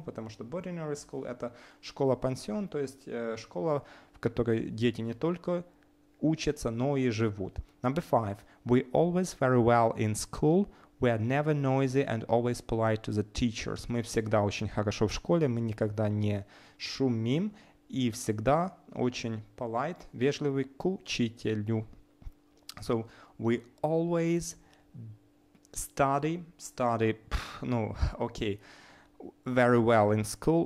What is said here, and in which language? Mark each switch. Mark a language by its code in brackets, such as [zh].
[ru] Потому что boarding school – это школа-пансион, то есть школа, в которой дети не только учатся, но и живут. [en] Number five. We always very well in school. We are never noisy and always polite to the teachers. [ru] Мы всегда очень хорошо в школе, мы никогда не шумим и всегда очень polite, вежливый к учителю. [en] So we always study, very well in school.